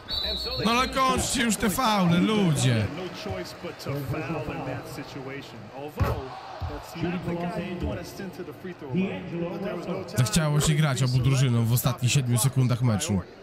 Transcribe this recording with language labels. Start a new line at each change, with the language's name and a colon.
English: And so
Polish: no, ale kończcie już te faule, ludzie.
English: No choice but to foul in that situation. Although that's not the guy you'd want to send to the free throw line. But there was no time.
Polish: Zachciało się grać obu drużyną w ostatnich 7 sekundach meczu.